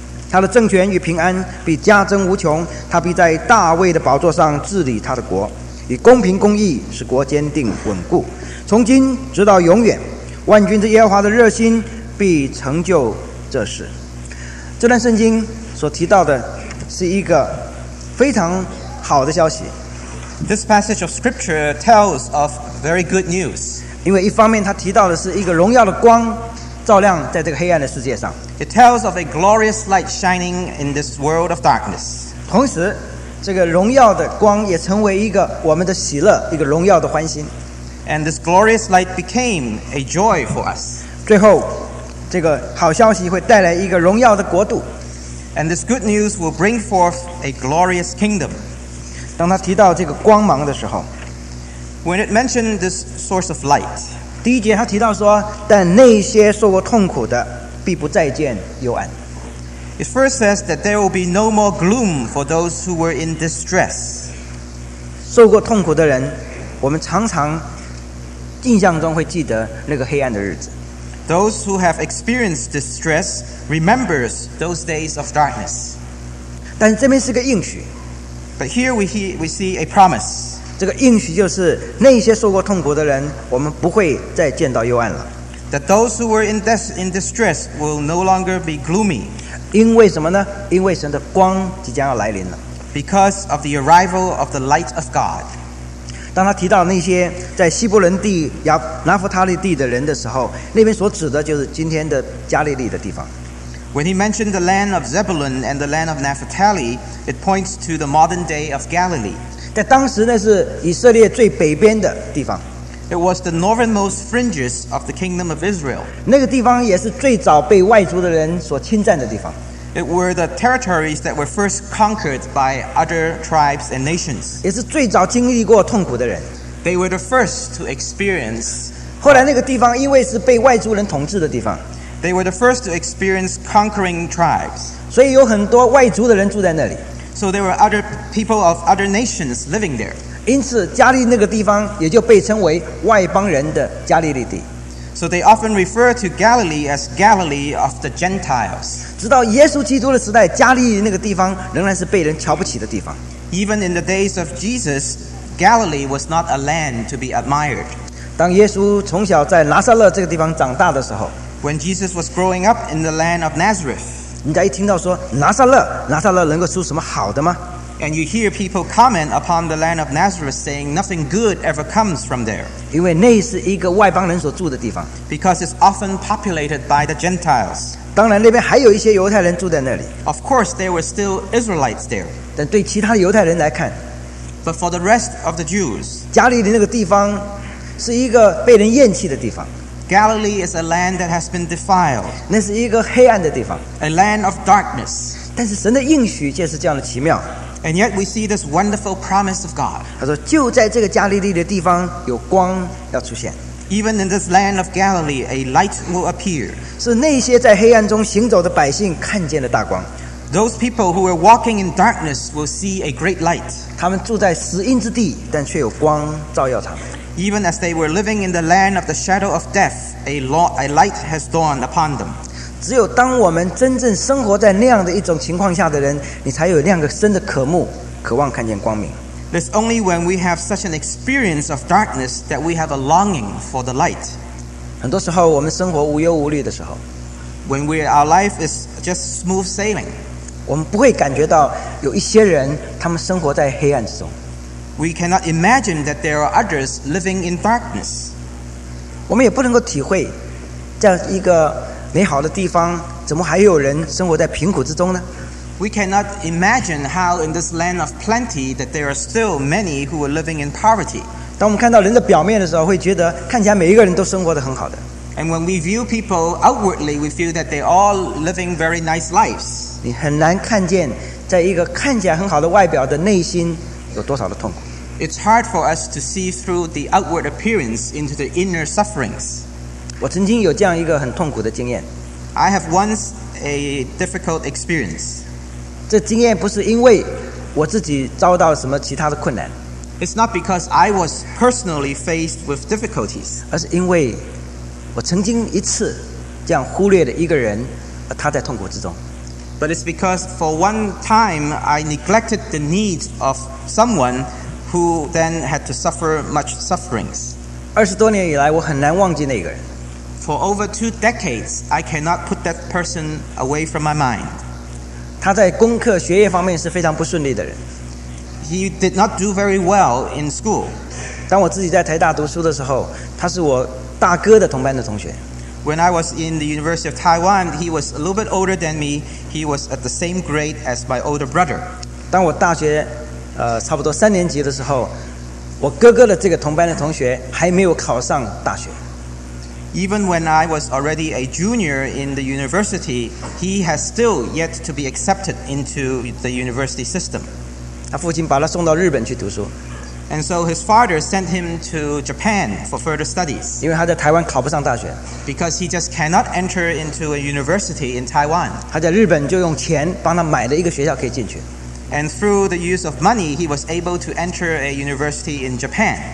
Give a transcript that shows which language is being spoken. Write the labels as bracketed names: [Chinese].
[Chinese] 他的政权与平安必加增无穷，他必在大卫的宝座上治理他的国，以公平公义使国坚定稳固，从今直到永远，万军之耶和华的热心必成就这事。这段圣经所提到的是一个非常好的消息。 [English] This passage of scripture tells of very good news. [Chinese] 因为一方面他提到的是一个荣耀的光照亮在这个黑暗的世界上。 [English] It tells of a glorious light shining in this world of darkness. [Chinese] 同时，这个荣耀的光也成为一个我们的喜乐，一个荣耀的欢心。 [English] And this glorious light became a joy for us. [Chinese] 最后，这个好消息会带来一个荣耀的国度。 [English] And this good news will bring forth a glorious kingdom. [Chinese] 当他提到这个光芒的时候， [English] When it mentioned this source of light. [Chinese] 第一节他提到说，但那些受过痛苦的必不再见幽暗。 [English] It first says that there will be no more gloom for those who were in distress. [Chinese] 受过痛苦的人，我们常常印象中会记得那个黑暗的日子。 [English] Those who have experienced distress remembers those days of darkness. [Chinese] 但这边是个应许。 [English] But here we see a promise. [Chinese] 这个应许就是那些受过痛苦的人，我们不会再见到幽暗了。 [English] That those who were in distress will no longer be gloomy. [Chinese] 因为什么呢？因为神的光即将要来临了。 [English] Because of the arrival of the light of God. [Chinese] 当他提到那些在西伯伦地、拿弗他利地的人的时候，那边所指的就是今天的加利利的地方。 [English] When he mentioned the land of Zebulun and the land of Naphtali, it points to the modern day of Galilee. [Chinese] 在当时，那是以色列最北边的地方。 [English] It was the northernmost fringes of the kingdom of Israel. [Chinese] 那个地方也是最早被外族的人所侵占的地方。 [English] It were the territories that were first conquered by other tribes and nations. [Chinese] 也是最早经历过痛苦的人。 [English] They were the first to experience. [Chinese] 后来那个地方因为是被外族人统治的地方。 [English] They were the first to experience conquering tribes. [Chinese] 所以有很多外族的人住在那里。 [English] So there were other people of other nations living there. [Chinese] 因此加利那个地方也就被称为外邦人的加利利地。 [English] So they often refer to Galilee as Galilee of the Gentiles. [Chinese] 直到耶稣基督的时代，加利利那个地方仍然是被人瞧不起的地方。 [English] Even in the days of Jesus, Galilee was not a land to be admired. [Chinese] 当耶稣从小在拿撒勒这个地方长大的时候， [English] When Jesus was growing up in the land of Nazareth, [Chinese] 人家一听到说拿撒勒，拿撒勒能够出什么好的吗？ [English] And you hear people comment upon the land of Nazareth saying nothing good ever comes from there. [Chinese] 因为那是一个外邦人所住的地方。 [English] Because it's often populated by the Gentiles. [Chinese] 当然那边还有一些犹太人住在那里。 [English] Of course, there were still Israelites there. [Chinese] 但对其他犹太人来看， [English] But for the rest of the Jews, [Chinese] 加利利那个地方是一个被人厌弃的地方。 [English] Galilee is a land that has been defiled. [Chinese] 那是一个黑暗的地方。 [English] A land of darkness. [Chinese] 但是神的应许却是这样的奇妙。 [English] And yet we see this wonderful promise of God. [Chinese] 他说就在这个加利利的地方有光要出现。 [English] Even in this land of Galilee, a light will appear. [Chinese] 是那些在黑暗中行走的百姓看见了大光。 [English] Those people who were walking in darkness will see a great light. [Chinese] 他们住在死荫之地，但却有光照耀他们。 [English] Even as they were living in the land of the shadow of death, a light has dawned upon them. [Chinese] 只有当我们真正生活在那样的一种情况下的人，你才有那样的深的渴慕，渴望看见光明。 [English] It's only when we have such an experience of darkness that we have a longing for the light. [Chinese] 很多时候我们生活无忧无虑的时候， [English] When our life is just smooth sailing, [Chinese] 我们不会感觉到有一些人他们生活在黑暗之中。 [English] We cannot imagine that there are others living in darkness. [Chinese] 我们也不能够体会这样一个美好的地方，怎么还有人生活在贫苦之中呢？ [English] We cannot imagine how in this land of plenty that there are still many who are living in poverty. [Chinese] 当我们看到人的表面的时候，会觉得看起来每一个人都生活得很好的。 [English] And when we view people outwardly, we feel that they all living very nice lives. [Chinese] 你很难看见在一个看起来很好的外表的内心有多少的痛苦。 [English] It's hard for us to see through the outward appearance into the inner sufferings. [Chinese] 我曾经有这样一个很痛苦的经验。 [English] I have once a difficult experience. [Chinese] 这经验不是因为我自己遭到什么其他的困难。 [English] It's not because I was personally faced with difficulties. [Chinese] 而是因为我曾经一次这样忽略了一个人，而他在痛苦之中。 [English] But it's because for one time I neglected the needs of someone who then had to suffer much sufferings. [Chinese] 二十多年以来，我很难忘记那个人。 [English] For over two decades, I cannot put that person away from my mind. [Chinese] 他在功课学业方面是非常不顺利的人。 [English] He did not do very well in school. [Chinese] 当我自己在台大读书的时候，他是我大哥的同班的同学。 [English] When I was in the University of Taiwan, he was a little bit older than me. He was at the same grade as my older brother. [Chinese] 当我大学，差不多三年级的时候。我哥哥的这个同班的同学还没有考上大学。 [English] Even when I was already a junior in the university, he has still yet to be accepted into the university system. [Chinese] 他父亲把他送到日本去读书。 [English] And so his father sent him to Japan for further studies. [Chinese] 因为他在台湾考不上大学。 [English] Because he just cannot enter into a university in Taiwan. [Chinese] 他在日本就用钱帮他买了一个学校可以进去。 [English] And through the use of money, he was able to enter a university in Japan.